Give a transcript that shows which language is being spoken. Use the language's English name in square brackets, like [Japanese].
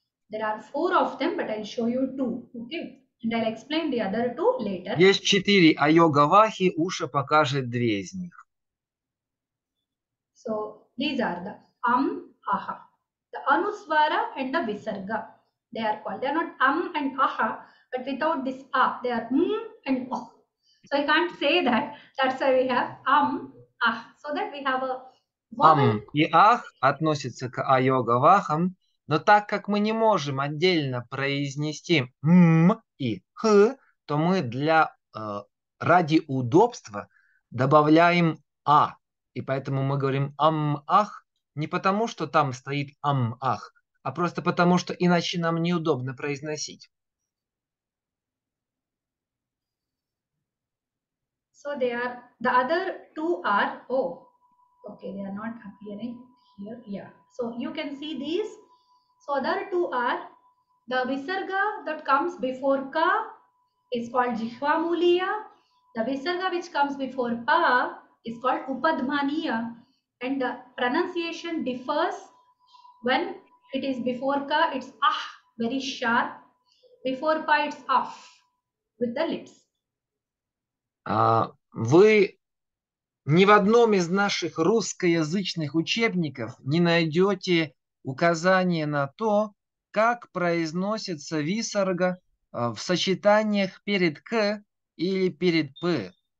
[English] There are 4 of them, but I'll show you 2. Okay. And I'll explain the other 2 later. [Russian] Есть 4 айогавахи, Уша покажет 2 из них. [English] So, these are the am, aha. The anusvara and the visarga. They are called. They are not am and aha, but without this a, they are m and o. So, I can't say that. That's why we have am, ah. So, that we have a [Russian] am и ах относятся к айогавахам. Но так как мы не можем отдельно произнести «м» и «х», то мы для ради удобства добавляем «а». И поэтому мы говорим «ам-ах» не потому, что там стоит «ам-ах», а просто потому, что иначе нам неудобно произносить. [English] So they are, the other two are, oh, okay, they are not appearing here, yeah. So you can see these. So other two are the visarga that comes before ka is called jihvamuliya. The visarga which comes before pa is called upadmaniya. And the pronunciation differs. When it is before ka, it's ah, very sharp. Before pa, it's af with the lips. [Russian] Вы ни в одном из наших русскоязычных учебников не найдете указание на то, как произносится висарга в сочетаниях перед «к» или перед «п».